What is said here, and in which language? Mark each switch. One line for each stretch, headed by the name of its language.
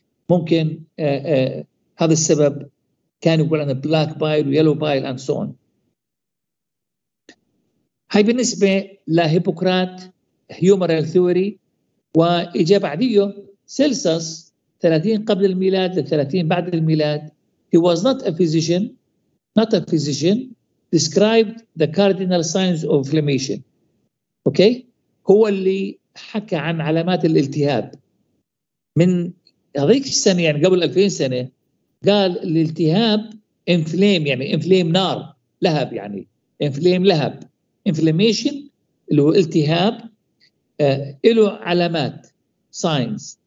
Arabic: ممكن هذا السبب كان يقول أنه بلاك بايل ويلو بايل
English: and so on.
Arabic: هاي بالنسبة لهيبوكرات هيومرال ثيوري. وإجا بعديه سيلسس 30 قبل الميلاد ل30 بعد الميلاد.
English: He was not a physician, described the cardinal signs of inflammation. Okay?
Arabic: هو اللي حكى عن علامات الالتهاب. من هذيك السنة يعني قبل 2000 سنة قال الالتهاب inflame، يعني inflame نار لهب، يعني inflame لهب. Inflammation اللي هو التهاب له علامات signs.